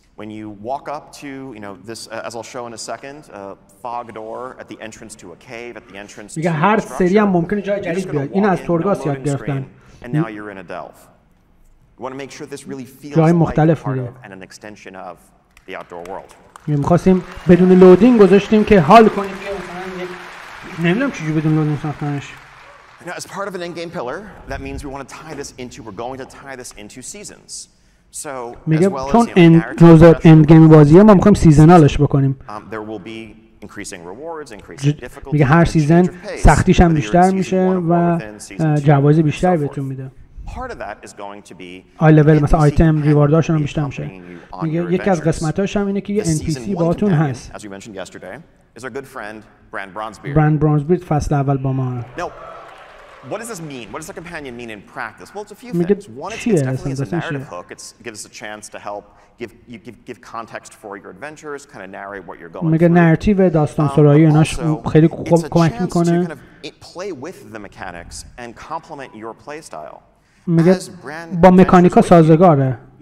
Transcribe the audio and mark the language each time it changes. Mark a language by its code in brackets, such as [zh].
[en] When you walk up to, you know, this, as I'll show in a second, a fog door at the entrance to a cave, at the entrance to a structure, you're just going to walk in a loading screen, and now you're in a delve. You want to make sure this really feels like part of and an extension of the outdoor world. [fa] می‌خواستیم بدون لودینگ گذاشتیم که حال کنیم که نمی‌دونم چجوری بدون لودینگ ساختنش. [en] Now, as part of an in-game pillar, that means we want to tie this into, we're going to tie this into seasons. So, as well as the end-game [fa] بازیه، ما می‌خوایم سیزنالش بکنیم. [en] There will be increasing rewards, increasing difficulty. [fa] میگه هر سیزن سختیش هم بیشتر میشه و جوایز بیشتری بهتون میده. [en] Part of that is going to be high level [fa] مثلا آیتم ریوارداشون هم بیشتر میشه. میگه یکی از قسمتاش هم اینه که یه NPC باهاتون هست. [en] As you mentioned yesterday, is our good friend Brand Bronzebeard. [fa] Brand Bronzebeard فصل اول با ما. [en] Now, what does this mean? What does the companion mean in practice? Well, it's a few things. One, it's definitely a narrative hook. It gives us a chance to help give context for your adventures, kind of narrate what you're going through. [fa] میگه نراتیو داستان سرایی اوناش خیلی خوب کمک میکنه. [en] Play with the mechanics and complement your playstyle. [fa] میگه با مکانیکا سازگاره.